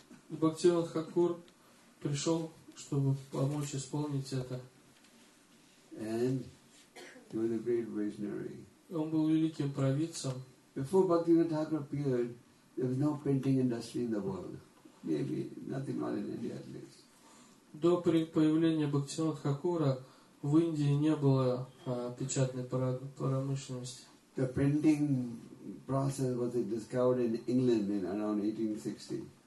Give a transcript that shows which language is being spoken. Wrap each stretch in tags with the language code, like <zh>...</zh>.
<ru>Бхактивинод Тхакур пришел, чтобы помочь исполнить это. Он был великим провидцем.</ru> <en>Before Bhaktivinoda Thakur appeared, there was no printing industry in the world. Maybe nothing, not in India at least.</en> <ru>До появления Бхактивинода Тхакура в Индии не было печатной промышленности.</ru> <en>The printing process was discovered in England in around 1860.</en>